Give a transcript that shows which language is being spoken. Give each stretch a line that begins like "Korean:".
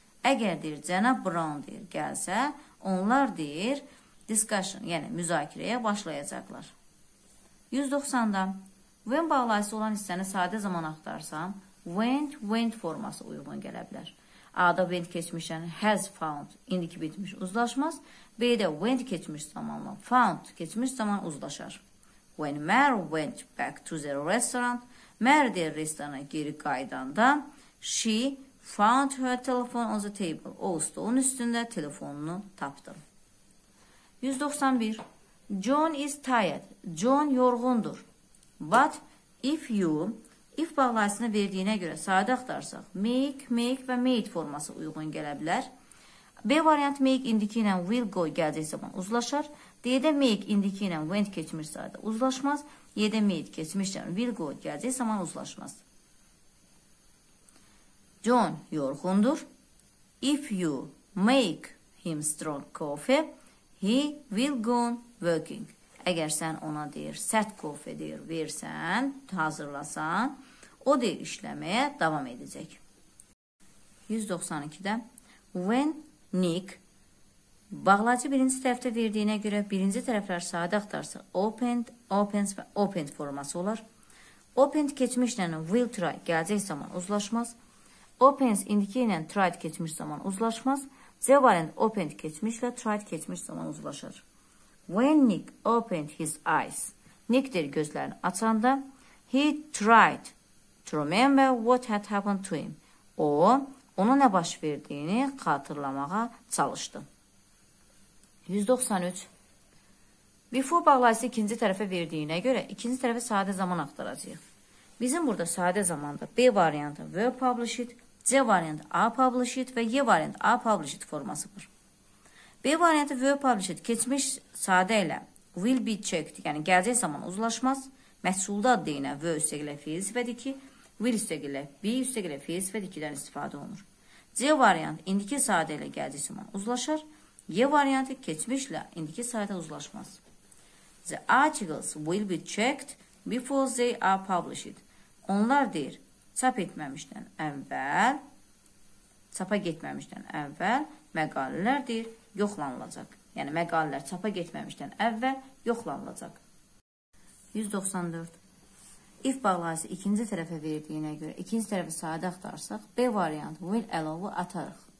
Azerbaijani: Əgər deyir, cənab Brown deyir, gəlsə, onlar deyir, discussion, yəni müzakirəyə başlayacaqlar. 190-da when bağlayıcısı olan hissəni sadə zaman axtarsam, went, went forması uyğun gələ bilər. A-da went keçmişdən has found, indiki bitmiş uzlaşmaz. B-də went keçmiş zamanla found keçmiş zaman uzlaşar.
English: When Mary went back to the restaurant,
Azerbaijani: Mary deyir restorana geri qayıdanda,
English: she found her telephone on the table.
Azerbaijani: O stolun üstündə telefonunu tapdı. 191.
English: John is tired.
Azerbaijani: John yorğundur.
English: But if you,
Azerbaijani: if bağlayıcısını verdiyinə görə sadə axtarsaq, make, make və made forması uyğun gələ bilər. B variant make indiki ilə will go gələcək zaman uzlaşar. D-də make indiki ilə went keçmiş sadə uzlaşmaz. Y-də made keçmişdən will go gələcək zaman uzlaşmaz. John yorğundur.
English: If you make him strong coffee, he will go on working.
Azerbaijani: Əgər sən ona deyir, sərt kofe deyir, versən, hazırlasan, o deyir işləməyə davam edəcək. 192-də When Nick bağlayıcı birinci tərəfdə verdiyinə görə birinci tərəflər sadə axtarsa opened, opens və opened forması olar. Opened keçmişlə will try gələcək zaman uzlaşmaz. Opens indiki ilə tried keçmiş zaman uzlaşmaz. C variant opened keçmişlə tried keçmiş zaman uzlaşır.
English: When Nick opened his eyes,
Azerbaijani: Nick deyir gözlərini açanda,
English: he tried to remember what had happened to him.
Azerbaijani: O, ona nə baş verdiyini xatırlamağa çalışdı. 193. Before bağlayıcı ikinci tərəfə verdiyinə görə, ikinci tərəfə sadə zaman axtaracaq. Bizim burada sadə zamanda B variantı were published, C variant A published və Y variant A published forması var. B variantı were published keçmiş sadə ilə will be checked, yəni gələcək zaman uzlaşmaz. Məhsulda deyinə were üstəqilə fiil sifəti ki, will üstəqilə be üstəqilə fiil sifəti ki-dən istifadə olunur. C variant indiki sadə ilə gələcək zaman uzlaşar. Y variantı keçmişlə indiki sadə uzlaşmaz.
English: The articles will be checked before they are published.
Azerbaijani: Onlar deyir, çap etməmişdən əvvəl, çapa getməmişdən əvvəl məqalələr deyir, yoxlanılacaq. Yəni, məqalələr çapa getməmişdən əvvəl yoxlanılacaq. 194. If bağlayıcı ikinci tərəfə verdiyinə görə ikinci tərəfi sadə axtarsaq, B variantı will allow'u atarıq.